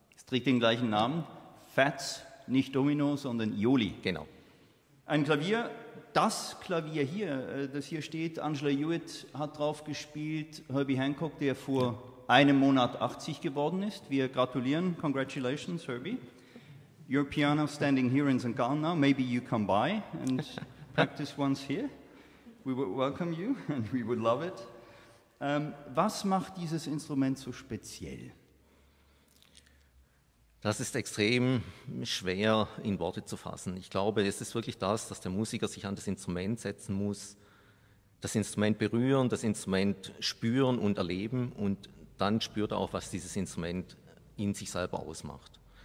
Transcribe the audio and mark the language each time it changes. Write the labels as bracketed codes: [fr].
[de] Es trägt den gleichen Namen. Fats, nicht Domino, sondern Ioli. Genau. Ein Klavier, das Klavier hier, das hier steht, Angela Hewitt hat drauf gespielt, Herbie Hancock, der vor einem Monat 80 geworden ist. Wir gratulieren. Congratulations, Herbie. [en] Your piano standing here in St. Gallen. Maybe you come by and practice once here. We would welcome you and we would love it. [de] Was macht dieses Instrument so speziell? Das ist extrem schwer in Worte zu fassen. Ich glaube, es ist wirklich das, dass der Musiker sich an das Instrument setzen muss, das Instrument berühren, das Instrument spüren und erleben und dann spürt er auch, was dieses Instrument in sich selber ausmacht.